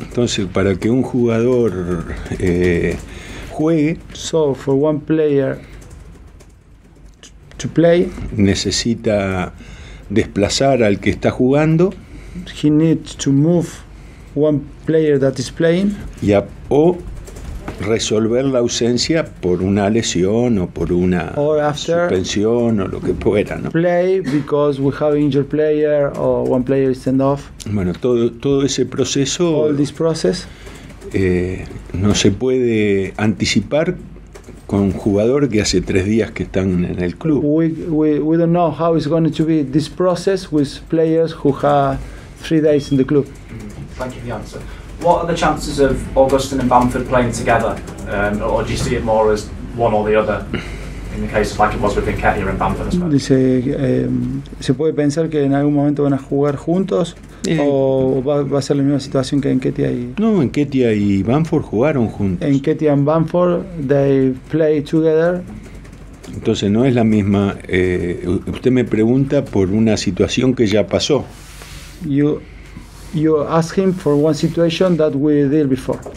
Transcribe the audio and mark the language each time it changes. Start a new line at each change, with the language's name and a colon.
Spanish: Entonces, para que un jugador juegue,
English: so for one player to play,
Spanish: necesita desplazar al que está jugando.
English: He needs to move one player that is playing.
Spanish: O resolver la ausencia por una lesión o por una suspensión o lo que fuera, ¿no?
English: Play because we have injured player or one player is sent off.
Spanish: Bueno, todo ese proceso.
English: All this process.
Spanish: No se puede anticipar con un jugador que hace tres días que están en el club.
English: We don't know how it's going to be this process with players who have 3 days in the club. Thank you for the answer. What are the chances of Augustine and Bamford playing together, or do you see it more as one or the other? In the case, like it was with Nketiah and Bamford,
Spanish: dice, se puede pensar que en algún momento van a jugar juntos, o va a ser la misma situación que Nketiah y. No, Nketiah y Bamford jugaron juntos.
English: Nketiah and Bamford, they play together.
Spanish: Entonces no es la misma. Usted me pregunta por una situación que ya pasó.
English: You ask him for one situation that we did before.